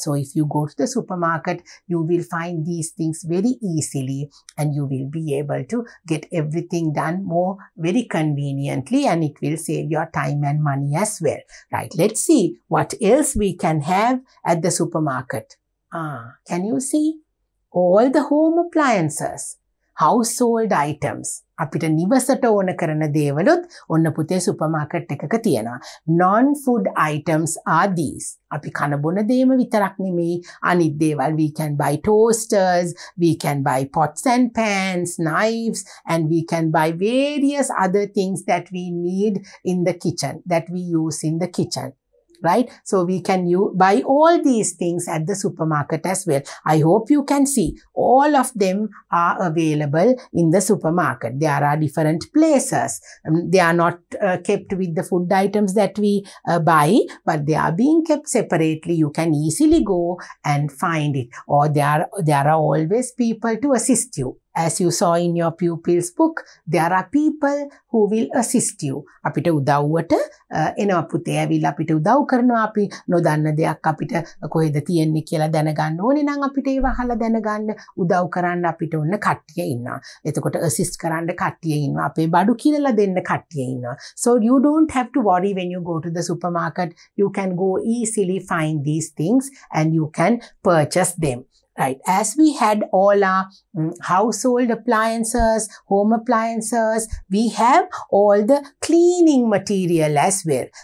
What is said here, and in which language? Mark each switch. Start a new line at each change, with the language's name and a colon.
English: So if you go to the supermarket, you will find these things very easily, and you will be able to get everything done more very conveniently, and it will save your time and money as well. Right, let's see what else we can have at the supermarket. Can you see all the home appliances, household items?
Sinhala: අපිට නිවසට ඕන කරන දේවලුත් ඔන්න පුතේ super market එකක තියෙනවා.
English: Non food items are these.
Sinhala: අපි කන බොන දේම විතරක් නෙමෙයි අනිත් දේවල්.
English: We can buy toasters, we can buy pots and pans, knives, and we can buy various other things that we need in the kitchen, that we use in the kitchen. right? So we can buy all these things at the supermarket as well. I hope you can see all of them are available in the supermarket. There are different places. They are not kept with the food items that we buy, but they are being kept separately. You can easily go and find it, or there are always people to assist you. As you saw in your pupil's book, there are people who will assist you.
Sinhala: අපිට උදව්වට එනවා පුතේ ඇවිල්ලා අපිට උදව් කරනවා. අපි නොදන්න දෙයක් අපිට කොහෙද තියෙන්නේ කියලා දැනගන්න ඕනේ නම් අපිට ඒව අහලා දැනගන්න උදව් කරන්න අපිට ඔන්න කට්ටිය ඉන්නවා. එතකොට assist කරන්න කට්ටිය ඉන්නවා. අපේ බඩු කිරලා දෙන්න කට්ටිය ඉන්නවා.
English: So you don't have to worry when you go to the supermarket. You can go easily find these things and you can purchase them. Right, as we had all our household appliances, home appliances, we have all the cleaning material as well.